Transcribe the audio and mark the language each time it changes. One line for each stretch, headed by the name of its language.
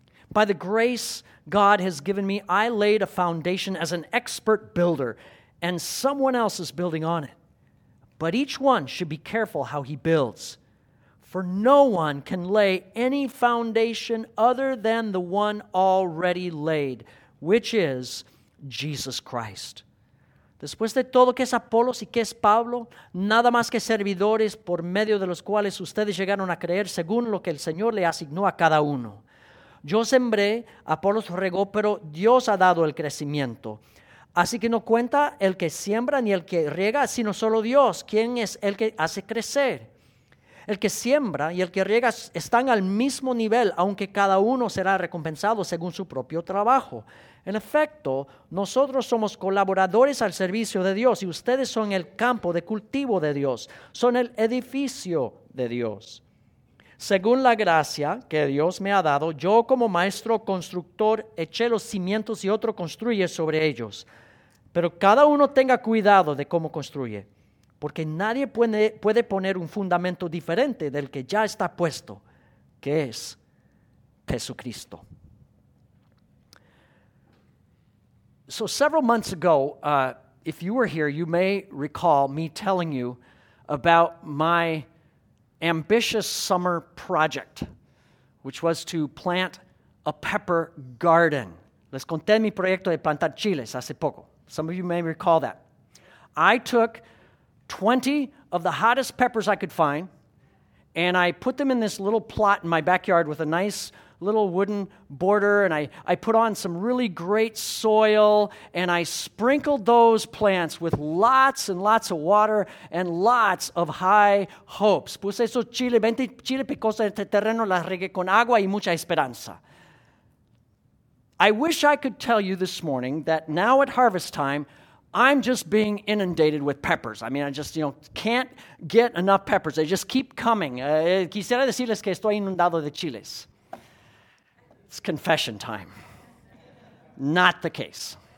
English: By the grace God has given me, I laid a foundation as an expert builder, and someone else is building on it. But each one should be careful how he builds, for no one can lay any foundation other than the one already laid, which is Jesus Christ.
Spanish: Después de todo, ¿qué es Apolos y qué es Pablo? Nada más que servidores por medio de los cuales ustedes llegaron a creer según lo que el Señor le asignó a cada uno. Yo sembré, Apolos regó, pero Dios ha dado el crecimiento. Así que no cuenta el que siembra ni el que riega, sino solo Dios, quien es el que hace crecer. El que siembra y el que riega están al mismo nivel, aunque cada uno será recompensado según su propio trabajo. En efecto, nosotros somos colaboradores al servicio de Dios y ustedes son el campo de cultivo de Dios, son el edificio de Dios. Según la gracia que Dios me ha dado, yo como maestro constructor eché los cimientos y otro construye sobre ellos. Pero cada uno tenga cuidado de cómo construye, porque nadie puede poner un fundamento diferente del que ya está puesto, que es Jesucristo."
English: So several months ago, if you were here, you may recall me telling you about my ambitious summer project, which was to plant a pepper garden.
Spanish: Les conté mi proyecto de plantar chiles hace poco.
English: Some of you may recall that. I took 20 of the hottest peppers I could find, and I put them in this little plot in my backyard with a nice little wooden border, and I put on some really great soil, and I sprinkled those plants with lots and lots of water and lots of high hopes.
Spanish: Puse esos chiles, 20 chiles picosos en este terreno, las regué con agua y mucha esperanza.
English: I wish I could tell you this morning that now at harvest time, I'm just being inundated with peppers. I mean, I just, you know, can't get enough peppers.
Spanish: They just keep coming. Quisiera decirles que estoy inundado de chiles.
English: It's confession time. Not the case.